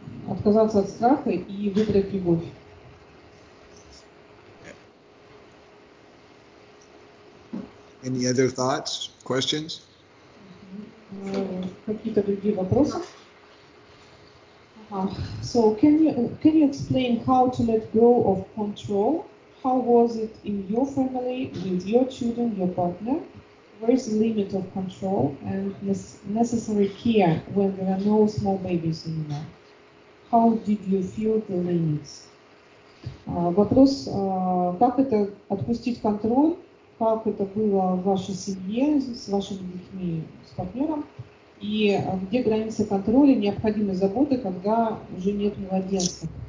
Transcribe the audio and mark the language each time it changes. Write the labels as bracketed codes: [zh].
[ru] Отказаться от страха и выбрать любовь. [en] Any other thoughts, questions? [ru] Какие-то другие вопросы? [en] So can you explain how to let go of control? How was it in your family, with your children, your partner? Where is the limit of control and necessary care when there are no small babies anymore? How did you feel the limits? [ru] Вопрос, как это отпустить контроль? Как это было в вашей семье, с вашими детьми, с партнером? И где граница контроля, необходимой заботы, когда уже нет младенца?